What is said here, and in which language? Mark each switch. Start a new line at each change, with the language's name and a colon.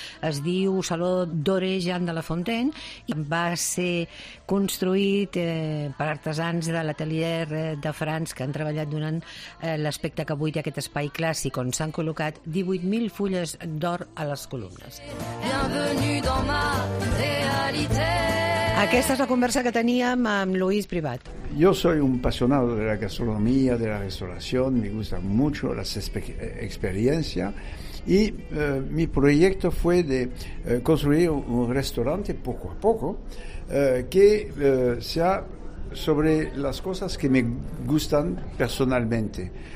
Catalan: Es diu Saló Doré Jean de la Fontaine i va ser construït per artesans de l'atelier de France que han treballat donant l'aspecte que avui té aquest espai clàssic on s'han col·locat 18.000 fulles d'or a les columnes.
French: Bienvenue dans ma réalité.
Catalan: Aquesta és la conversa que teníem amb Louis Privat.
Spanish: Yo soy un apasionado de la gastronomía, de la restauración. Me gusta mucho las experiencias. Y mi proyecto fue de construir un restaurante poco a poco que sea sobre las cosas que me gustan personalmente.